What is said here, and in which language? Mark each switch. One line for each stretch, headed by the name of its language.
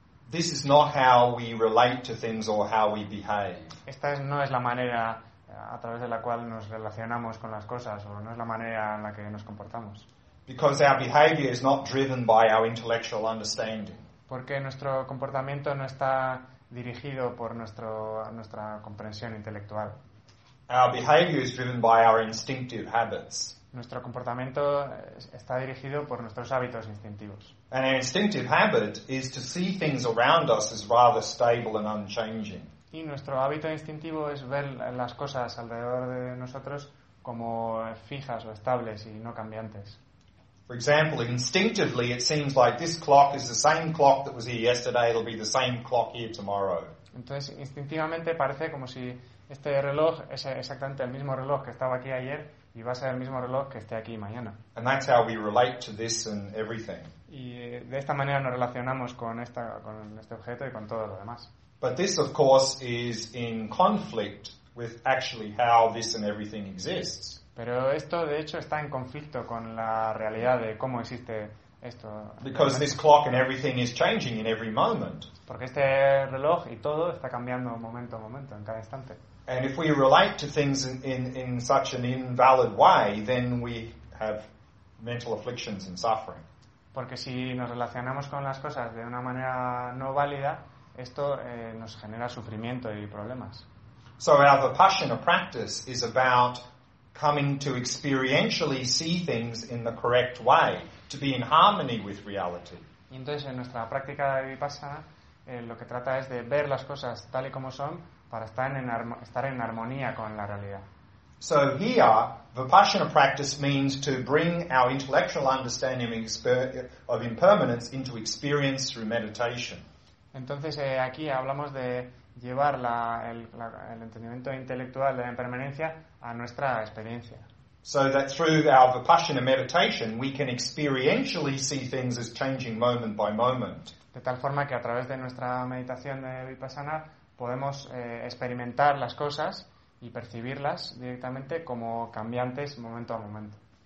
English: this is not how we relate to things or how we behave.
Spanish: Esta no es la manera a través de la cual nos relacionamos con las cosas, o no es la manera en la que nos comportamos.
English: Because our behavior is not driven by our intellectual understanding.
Spanish: Porque nuestro comportamiento no está dirigido por nuestra comprensión intelectual.
English: Our behavior is driven by our instinctive habits.
Spanish: Nuestro comportamiento está dirigido por nuestros hábitos instintivos.
English: And our instinctive habit is to see things around us as rather stable and unchanging.
Spanish: Y nuestro hábito instintivo es ver las cosas alrededor de nosotros como fijas o estables y no cambiantes.
English: For example, instinctively it seems like this clock is the same clock that was here yesterday, it'll be the same clock here tomorrow.
Spanish: Entonces, instintivamente parece como si este reloj es exactamente el mismo reloj que estaba aquí ayer y va a ser el mismo reloj que esté aquí mañana.
English: And that's how we relate to this and everything.
Spanish: Y de esta manera nos relacionamos con este objeto y con todo lo demás.
English: But this, of course, is in conflict with actually how this and everything exists.
Spanish: Pero esto, de hecho, está en conflicto con la realidad de cómo existe esto.
English: Because this clock and everything is changing in every moment.
Spanish: Porque este reloj y todo está cambiando momento a momento, en cada instante.
English: And if we relate to things in such an invalid way, then we have mental afflictions and suffering.
Spanish: Porque si nos relacionamos con las cosas de una manera no válida, esto nos genera sufrimiento y problemas.
English: So our Vipassana practice is about coming to experientially see things in the correct way, to be in harmony with reality.
Spanish: Y entonces en nuestra práctica de Vipassana lo que trata es de ver las cosas tal y como son para estar en armonía con la realidad.
English: So here, Vipassana practice means to bring our intellectual understanding of impermanence into experience through meditation.
Spanish: Entonces aquí hablamos de llevar el entendimiento intelectual de la impermanencia a nuestra experiencia.
English: So that through our Vipassana meditation we can experientially see things as changing moment by moment.
Spanish: De tal forma que a través de nuestra meditación de Vipassana podemos experimentar las cosas y percibirlas directamente como cambiantes momento a momento.